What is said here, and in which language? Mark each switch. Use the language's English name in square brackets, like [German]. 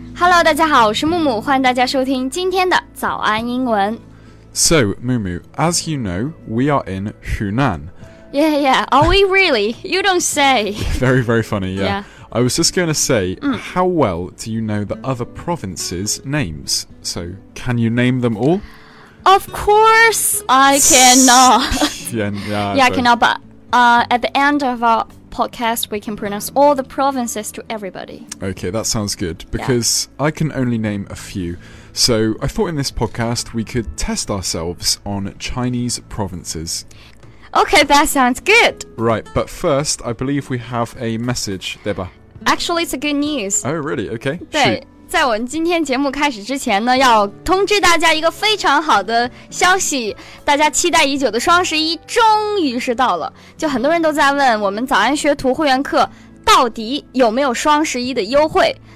[Chinese] Hello, 大家好，我是木木，欢迎大家收听今天的早安英文。 [English] So, Mumu, as you know, we are in Hunan. Yeah, yeah. Are we really? You don't say. Very, very funny, yeah. Yeah. I was just going to say, how well do you know the other provinces' names? So, can you name them all? Of course, I cannot. Yeah, I cannot, but at the end of our podcast, we can pronounce all the provinces to everybody. Okay, that sounds good, because I can only name a few. So, I thought in this podcast, we could test ourselves on Chinese provinces. Okay, that sounds good. Right, but first, I believe we have a message, Deba. Actually, it's a good news. Oh, really? Okay, [Chinese] 对，在我们今天节目开始之前呢，要通知大家一个非常好的消息。大家期待已久的双十一终于是到了。就很多人都在问，我们早安学徒会员课到底有没有双十一的优惠？